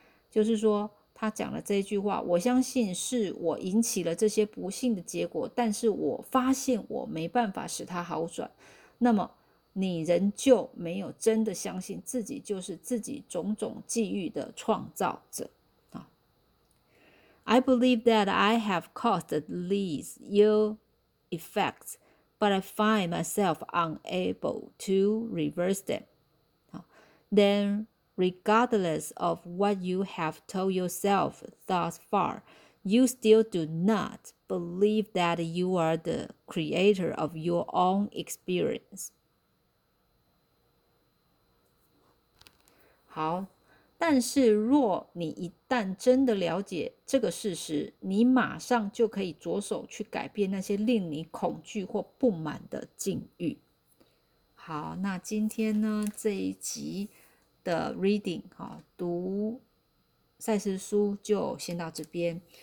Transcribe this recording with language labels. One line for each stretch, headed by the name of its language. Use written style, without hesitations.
Chinese: 就是说，他讲了这一句话，我相信是我引起了这些不幸的结果，但是我发现我没办法使他好转。那么，你仍旧没有真的相信自己就是自己种种际遇的创造者。
English: I believe that I have caused these ill effects, but I find myself unable to reverse them. Then, regardless of what you have told yourself thus far, you still do not believe that you are the creator of your own experience.
Chinese: 好。但是若你一旦真的了解这个事实，你马上就可以着手去改变那些令你恐惧或不满的境遇。好，那今天呢，这一集的 reading 读赛斯书就先到这边。